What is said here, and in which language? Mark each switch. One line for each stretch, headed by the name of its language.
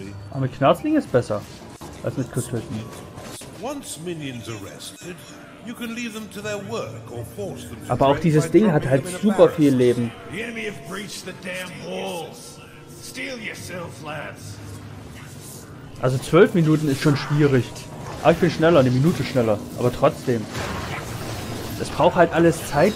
German: Aber mit Knarzling ist besser als mit Kutschwitten.
English: Once minions arrested, you can leave them to their work or force them.
German: Aber auch dieses Ding hat halt super viel Leben.
English: The enemy have breached the damn walls. Steal yourself, lads.
German: Also 12 Minuten ist schon schwierig. Aber ich bin schneller, eine Minute schneller. Aber trotzdem. Es braucht halt alles Zeit.